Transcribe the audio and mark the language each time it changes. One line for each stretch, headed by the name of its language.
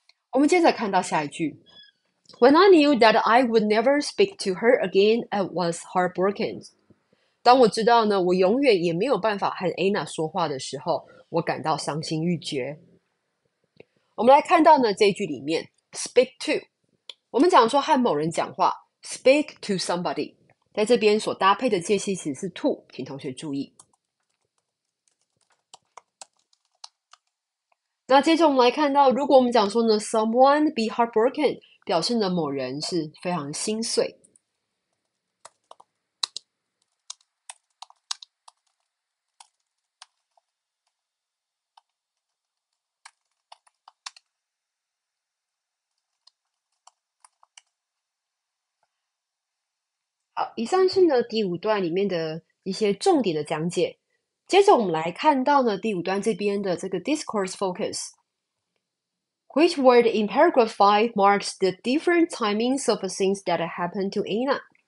Chinese: 我们接着看到下一句，
English: When I knew that I would never speak to her again, I was heartbroken。
Chinese: 当我知道呢，我永远也没有办法和 Anna 说话的时候，我感到伤心欲绝。我们来看到呢，这一句里面 speak to，我们讲说和某人讲话，
English: speak to somebody，
Chinese: 在这边所搭配的介系词是 to，请同学注意。那接着我们来看到，如果我们讲说呢，
English: someone be heartbroken，
Chinese: 表示呢某人是非常心碎。好，以上是呢第五段里面的一些重点的讲解。接着我们来看到呢，第五段这边的这个 discourse focus。
English: Which word in paragraph five marks the different timings of things that happened to Anna？